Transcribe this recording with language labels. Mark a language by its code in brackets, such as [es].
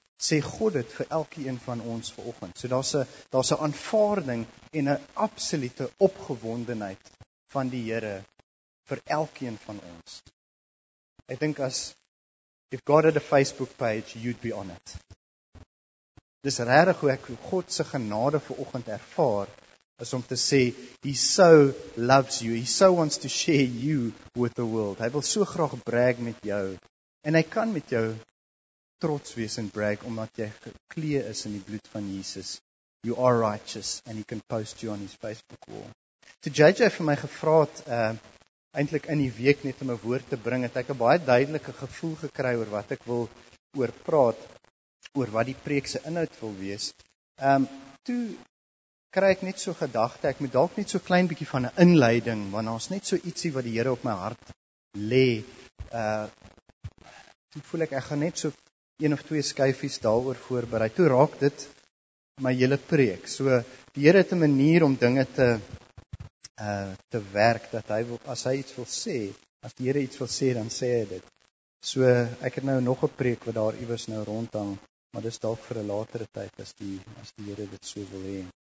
[af] Sê God het vir elke een van ons vanoggend. So daar's 'n aanvaarding en 'n absolute opgewondenheid van die Here vir elke een van ons. Ek dink [en] as if God had a Facebook page, you'd be on it. [af] Dis regtig hoe ek God se genade vanoggend ervaar, is om te sê, [en] He so loves you, He so wants to share you with the world. [af] Hy wil so graag brag met jou, en hy kan met jou trots wees en brag, omdat jy gekleed is in die bloed van Jesus. [en] You are righteous, and he can post you on his Facebook wall. [af] To JJ vir my gevra het, eintlik in die week net om 'n woord te bring, het ek 'n baie duidelike gevoel gekry oor wat ek wil oor praat, oor wat die preek se inhoud wil wees. Toe kry ek net so gedagte, ek moet dalk net so klein bietjie van 'n inleiding, want daar's net so ietsie wat die Here op my hart lê. Toe voel ek gaan net so een of twee skyfies daaroor voorberei. Toe raak dit my hele preek. So, die Here het 'n manier om dinge te werk, dat hy wil, as hy iets wil sê, as die Here iets wil sê, dan sê hy dit. So, ek het nou nog 'n preek wat daar iewers nou rondhang, maar dis dalk vir 'n latere tyd, as die Here dit so wil hê.